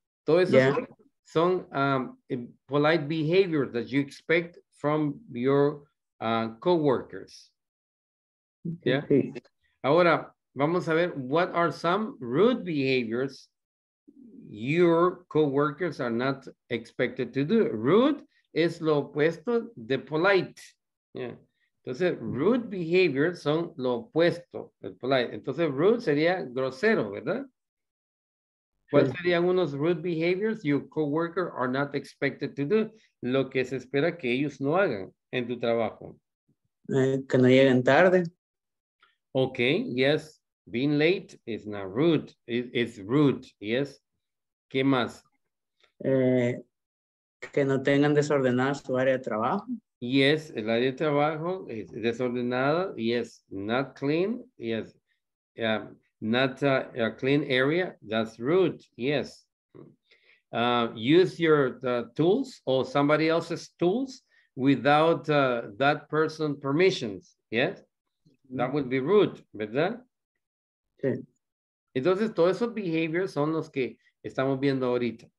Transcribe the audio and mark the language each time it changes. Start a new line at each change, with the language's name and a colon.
Spanish: Todo eso son
English: polite behavior that you expect from your coworkers. Yeah. Okay.
Spanish: Ahora, vamos a ver,
English: what are some rude behaviors your coworkers are not expected to do?
Spanish: Rude es lo opuesto de polite. Yeah. Entonces, rude behavior son lo opuesto del polite. Entonces, rude sería grosero, ¿verdad? Sure. ¿Cuáles serían unos
English: rude behaviors your coworker are not expected to do?
Spanish: Lo que se espera que ellos no hagan en tu trabajo. Que no lleguen tarde.
English: Ok, yes. Being late is not rude. It's rude, yes.
Spanish: ¿Qué más? Que no tengan desordenada su área de trabajo. Yes, el área de trabajo es desordenada.
English: Yes, not clean. Yes, not a clean area. That's rude. Yes. Use your tools or somebody else's tools without that person's permissions. Yes, that would be rude, ¿verdad?
Spanish: Sí. Entonces, todos esos behaviors son los que estamos viendo ahorita.